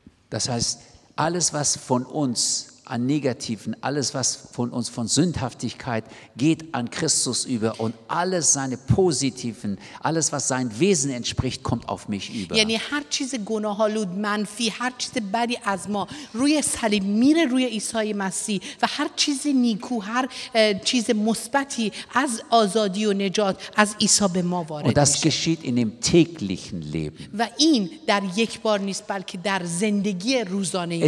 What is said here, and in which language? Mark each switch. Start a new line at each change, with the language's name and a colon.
German: Das heißt, alles was von uns an negativen, alles was von uns von Sündhaftigkeit geht an Christus über und alles seine positiven, alles was sein Wesen entspricht, kommt auf mich über.
Persian: یعنی هر چیز گناهالود منفی، هر چیز بدی از ما روی صلیب میره روی عیسی مسیح و هر چیز نیکو، هر چیز مثبتی از آزادی و نجات از عیسی به ما وارد میشه.
German: Das geschieht in dem täglichen Leben.
Persian: و این در یک بار نیست بلکه در زندگی روزانه ما.